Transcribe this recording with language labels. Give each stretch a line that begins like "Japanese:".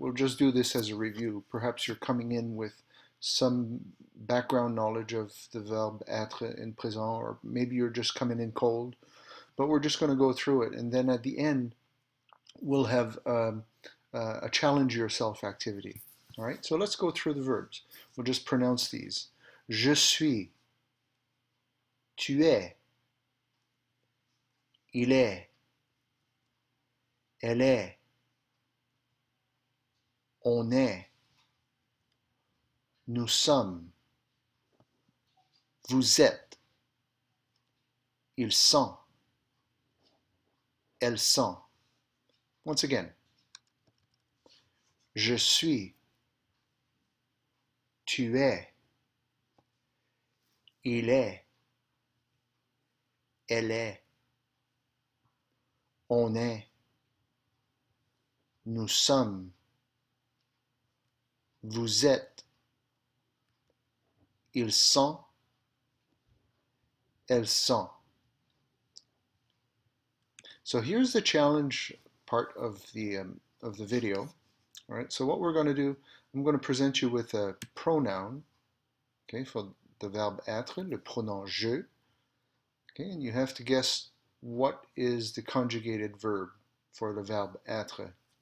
English: We'll just do this as a review. Perhaps you're coming in with some background knowledge of the verb être in présent, or maybe you're just coming in cold, but we're just going to go through it, and then at the end we'll have a challenge yourself activity. All right, so let's go through the verbs. We'll just pronounce these.
French: Je suis, tu es, il est, elle est, on est, nous sommes, vous êtes, ils sont, elles sont. Once again, je suis, tu es, il est, elle est, on est, nous sommes, vous êtes, ils sont, elles sont.
English: So here's the challenge part of the video. All right. So what we're going to do, I'm going to present you with a pronoun. Okay, for the verb être,
French: le pronom je.
English: Okay, and you have to guess what is the conjugated verb for the verb être.